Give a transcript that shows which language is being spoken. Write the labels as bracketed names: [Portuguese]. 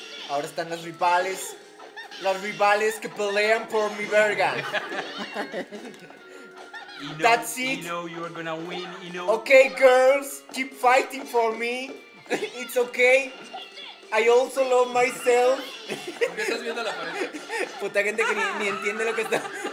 [Spanish] Ahora están las rivales. Las rivales que pelean por mi verga. [English] You know, that's it. You know you are gonna win, you know. Okay, girls, keep fighting for me. It's okay. I also love myself. [Spanish] ¿Por qué estás viendo la pared? Puta gente que ni entiende lo que está.